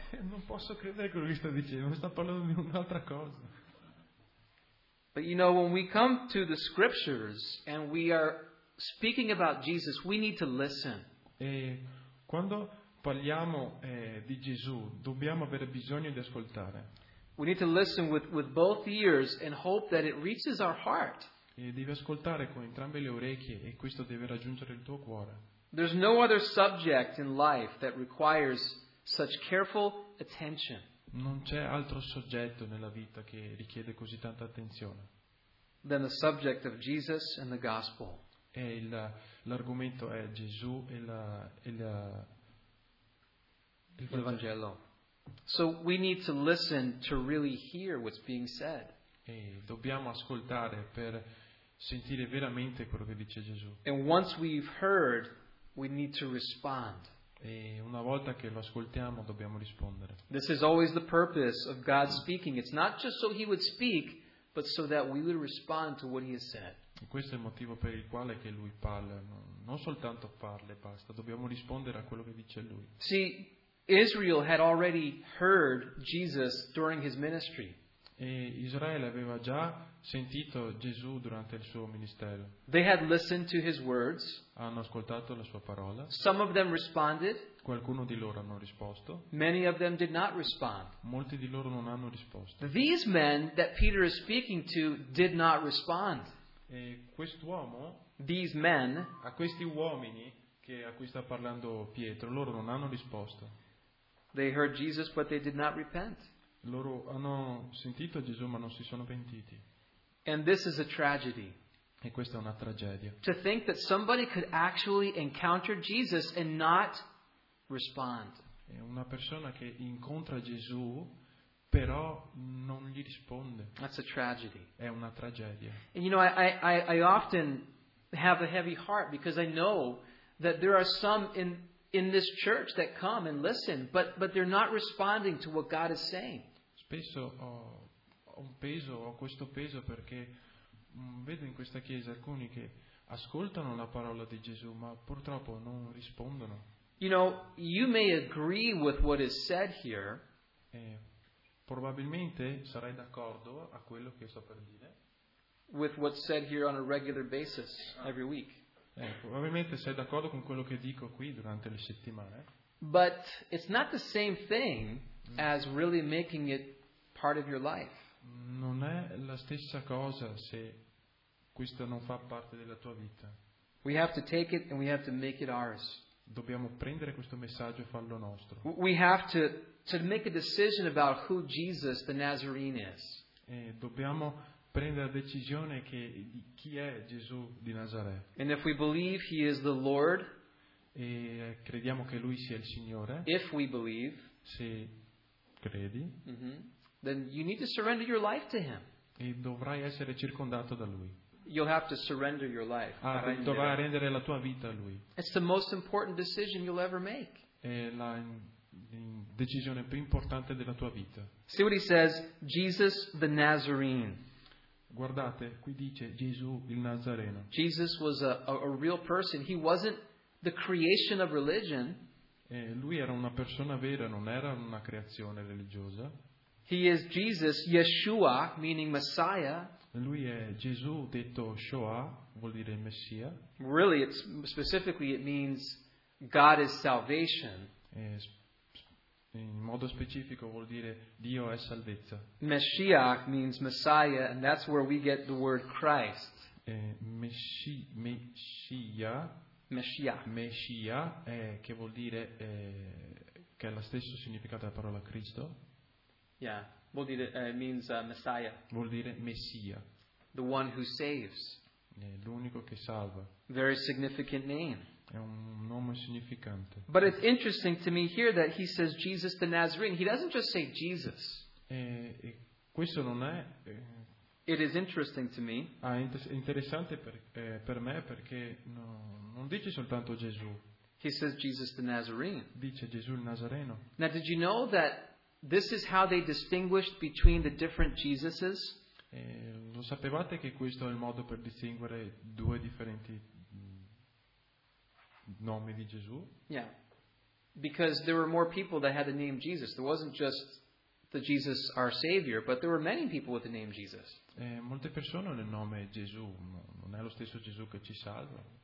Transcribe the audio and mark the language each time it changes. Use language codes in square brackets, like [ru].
[it] Non posso credere quello che sta dicendo, sta parlando di un'altra cosa. [en] But you know, when we come to the scriptures and we are speaking about Jesus, we need to listen. [it] E quando parliamo di Gesù, dobbiamo avere bisogno di ascoltare. [en] We need to listen with both ears and hope that it reaches our heart. [it] E devi ascoltare con entrambe le orecchie e questo deve raggiungere il tuo cuore. [en] There's no other subject in life that requires such careful attention. [it] Non c'è altro soggetto nella vita che richiede così tanta attenzione. [en] Than the subject of Jesus and the gospel. [it] E l'argomento è Gesù e il Vangelo. [en] So we need to listen to really hear what's being said. [it] E dobbiamo ascoltare per sentire veramente quello che dice Gesù. [en] And once we've heard, we need to respond. [it] E una volta che lo ascoltiamo, dobbiamo rispondere. [en] This is always the purpose of God speaking. It's not just so He would speak, but so that we would respond to what He has said. [it] E questo è il motivo per il quale che Lui parla, non soltanto parla e basta. Dobbiamo rispondere a quello che dice Lui. [en] See, Israel had already heard Jesus during his ministry. [it] E Israele aveva già sentito Gesù durante il suo ministero. [en] They had listened to his words. [it] Hanno ascoltato la sua parola. [en] Some of them responded. [it] Qualcuno di loro hanno risposto. [en] Many of them did not respond. [it] Molti di loro non hanno risposto. [en] These men that Peter is speaking to did not respond. [it] E quest'uomo, [en] these men, [it] a questi uomini che a cui sta parlando Pietro, loro non hanno risposto. [en] They heard Jesus but they did not repent. [it] Loro hanno sentito Gesù ma non si sono pentiti. [en] And this is a tragedy. [it] E questa è una tragedia. [en] To think that somebody could actually encounter Jesus and not respond. [it] È una persona che incontra Gesù però non gli risponde. [en] That's a tragedy. [it] È una tragedia. [en] And you know, I often have a heavy heart because I know that there are some in this church that come and listen, but they're not responding to what God is saying. [it] Spesso ho questo peso perché vedo in questa chiesa alcuni che ascoltano la parola di Gesù, ma purtroppo non rispondono. [en] You know, you may agree with what is said here. [it] Probabilmente sarai d'accordo a quello che sto per dire. [en] With what's said here on a regular basis every week. [it] Probabilmente sei d'accordo con quello che dico qui durante le settimane. [en] But it's not the same thing as really making it part of your life. [it] Non è la stessa cosa se questo non fa parte della tua vita. [en] We have to take it and we have to make it ours. [it] Dobbiamo prendere questo messaggio e farlo nostro. [en] We have to make a decision about who Jesus the Nazarene is. [it] E dobbiamo prendere la decisione che di chi è Gesù di Nazareth. [en] And if we believe he is the Lord, [it] e crediamo che lui sia il Signore, [en] if we believe, [it] se credi, [en] then you need to surrender your life to him. [it] E dovrai essere circondato da lui. [en] You'll have to surrender your life. [it] Dovrai rendere la tua vita a lui. [en] It's the most important decision you'll ever make. [it] È la decisione più importante della tua vita. [en] See what he says, Jesus the Nazarene. [it] Guardate, qui dice Gesù il Nazareno. [en] Jesus was a real person. He wasn't the creation of religion. [it] Lui era una persona vera, non era una creazione religiosa. [en] He is Jesus, Yeshua, meaning Messiah. [it] Lui è Gesù, detto Shoa, vuol dire Messia. [en] Really, it's specifically it means God is salvation. [it] In modo specifico vuol dire Dio è salvezza. [en] Messiah means Messiah, and that's where we get the word Christ. [it] Messiah è, che vuol dire che è lo stesso significato della parola Cristo. [en] Yeah, [it] vuol dire [en] means Messiah. [it] Vuol dire Messia. [en] The one who saves. [it] È l'unico che salva. [en] Very significant name. [it] È un nome significante. [en] But it's interesting to me here that he says Jesus the Nazarene. He doesn't just say Jesus. [it] E questo non è. [en] It is interesting to me. [it] Ah, interessante per me perché no, non dice soltanto Gesù. [en] He says Jesus the Nazarene. [it] Dice Gesù il Nazareno. [en] Now, did you know that this is how they distinguished between the different Jesuses? [it] Lo sapevate che questo è il modo per distinguere due differenti nomi di Gesù? [en] Yeah. Because there were more people that had the name Jesus. There wasn't just the Jesus our Savior, but there were many people with the name Jesus. [it] Molte persone hanno il nome Gesù, non è lo stesso Gesù che ci salva.